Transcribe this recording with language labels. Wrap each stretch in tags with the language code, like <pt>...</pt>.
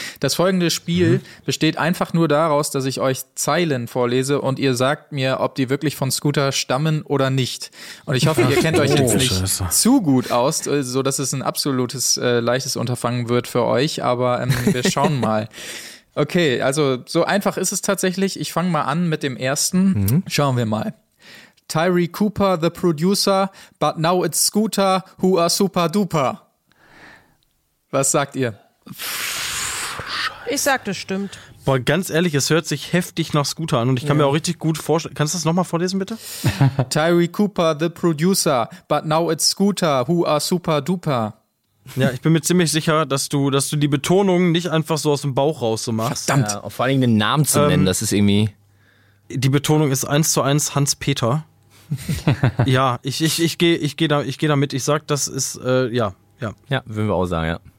<de>Das folgende Spiel besteht einfach nur daraus, dass ich euch Zeilen vorlese und ihr sagt mir, ob die wirklich von Scooter stammen oder nicht. Und ich hoffe, ihr kennt euch jetzt nicht zu gut aus, sodass es ein absolutes leichtes Unterfangen wird für euch, aber wir schauen mal. Okay, also so einfach ist es tatsächlich. Ich fange mal an mit dem ersten. Schauen wir mal.</de> <en>Tyree Cooper, the producer, but now it's Scooter, who are super duper.</en> <de>Was sagt ihr? Ich sag, das stimmt. Boah, ganz ehrlich, es hört sich heftig nach Scooter an und ich kann mir auch richtig gut vorstellen. Kannst du das nochmal vorlesen, bitte?</de> <en>Tyree Cooper, the producer, but now it's Scooter, who are super duper.</en> <de>Ja, ich bin mir ziemlich sicher, dass du die Betonung nicht einfach so aus dem Bauch raus so machst. Verdammt, ja, vor allem den Namen zu nennen, das ist irgendwie. Die Betonung ist 1:1 Hans-Peter. Ja, ich geh da mit. Ich sag, das ist, ja. Ja, würden wir auch sagen, ja.</de>